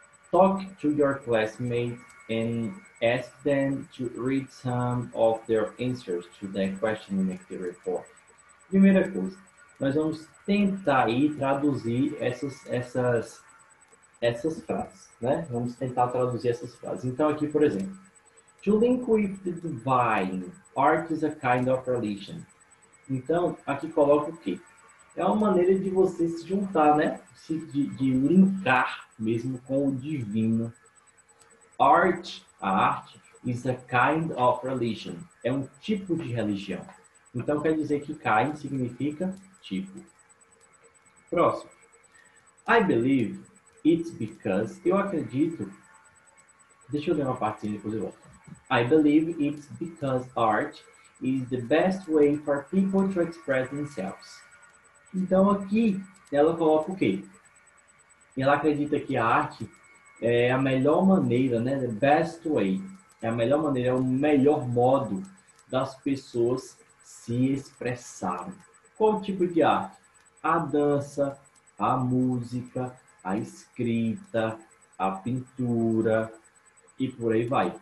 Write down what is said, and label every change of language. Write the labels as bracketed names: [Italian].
[English] Talk to your classmates and ask them to read some of their answers to the question in the report. [Portuguese] Primeira coisa, nós vamos tentar aí traduzir essas frases, né? Vamos tentar traduzir essas frases. Então, aqui, por exemplo, [English] to link with the divine, art is a kind of religion. [Portuguese] Então, aqui coloca o quê? É uma maneira de você se juntar, né? De linkar mesmo com o divino. [English] Art, [Portuguese] a arte, [English] is a kind of religion. [Portuguese] É um tipo de religião. Então, quer dizer que kind significa tipo. Próximo. [English] I believe it's because. [Portuguese] Eu acredito. Deixa eu ler uma partezinha, depois eu volto. [English] I believe it's because art is the best way for people to express themselves. [Portuguese] Então, aqui, ela coloca o quê? Ela acredita que a arte é a melhor maneira, né? [English] The best way. [Portuguese] É a melhor maneira, é o melhor modo das pessoas se expressaram. Qual tipo de arte? A dança, a música, a escrita, a pintura e por aí vai.